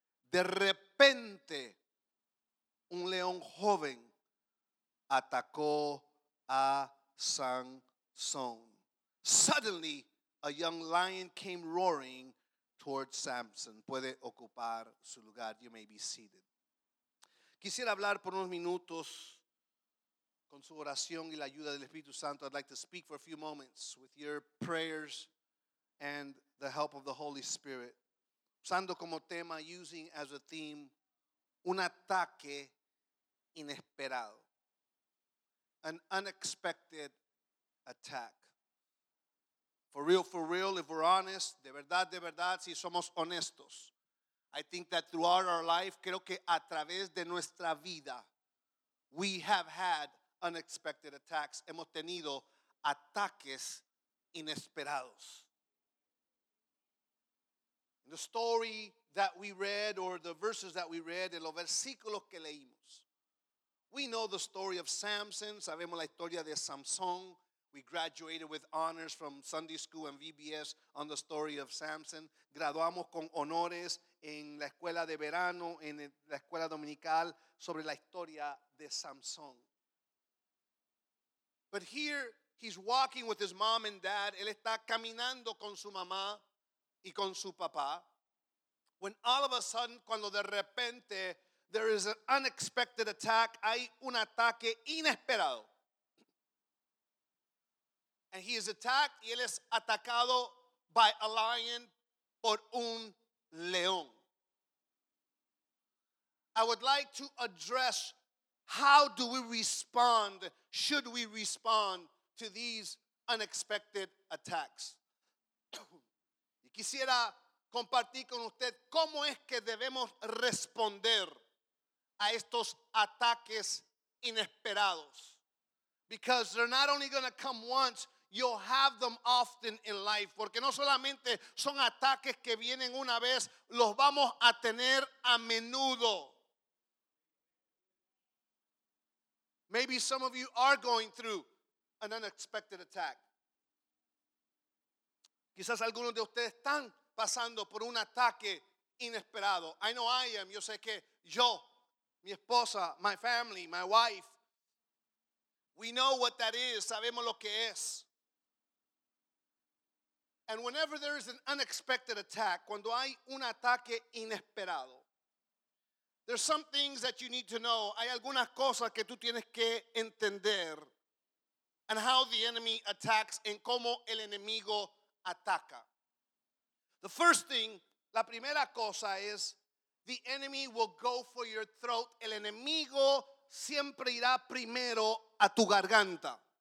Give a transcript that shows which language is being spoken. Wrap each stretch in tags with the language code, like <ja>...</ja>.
<es>De repente, un león joven atacó a Sansón.</es> <en>Suddenly, a young lion came roaring toward Samson.</en> <es>Puede ocupar su lugar.</es> <en>You may be seated.</en> <es>Quisiera hablar por unos minutos con su oración y la ayuda del Espíritu Santo.</es> <en>I'd like to speak for a few moments with your prayers and the help of the Holy Spirit.</en> <es>Usando como tema,</es> <en>using as a theme,</en> <es>un ataque inesperado.</es> <en>An unexpected attack. For real, if we're honest,</en> <es>de verdad, si somos honestos.</es> <en>I think that throughout our life,</en> <es>creo que a través de nuestra vida,</es> <en>we have had unexpected attacks.</en> <es>Hemos tenido ataques inesperados.</es> <en>the story that we read or the verses that we read,</en> <es>en los versículos que leímos.</es> <en>We know the story of Samson.</en> <es>Sabemos la historia de Samson.</es> <en>We graduated with honors from Sunday school and VBS on the story of Samson.</en> <es>Graduamos con honores en la escuela de verano, en la escuela dominical, sobre la historia de Samson.</es> <en>But here, he's walking with his mom and dad.</en> <es>Él está caminando con su mamá y con su papá.</es> <en>When all of a sudden,</en> <es>cuando de repente,</es> <en>there is an unexpected attack.</en> <es>Hay un ataque inesperado.</es> <en>And he is attacked,</en> <es>y él es atacado</es> <en>by a lion,</en> <es>por un león.</es> <en>I would like to address, how do we respond, should we respond to these unexpected attacks?</en> <es>Y quisiera compartir con usted cómo es que debemos responder a estos ataques inesperados.</es> <en>Because they're not only going to come once, you'll have them often in life.</en> <es>Porque no solamente son ataques que vienen una vez, los vamos a tener a menudo.</es> <en>Maybe some of you are going through an unexpected attack.</en> <es>Quizás algunos de ustedes están pasando por un ataque inesperado.</es> <en>I know I am.</en> <es>Yo sé que yo, mi esposa,</es> <en>my family, my wife,</en> <es>we know what that is. Sabemos lo que es.</es> <en>And whenever there is an unexpected attack,</en> <es>cuando hay un ataque inesperado,</es> <en>there's some things that you need to know.</en> <es>Hay algunas cosas que tú tienes que entender.</es> <en>And how the enemy attacks,</en> <es>en cómo el enemigo ataca.</es> <en>The first thing,</en> <es>la primera cosa es,</es> <en>the enemy will go for your throat.</en> <es>El enemigo siempre irá primero a tu garganta.</es>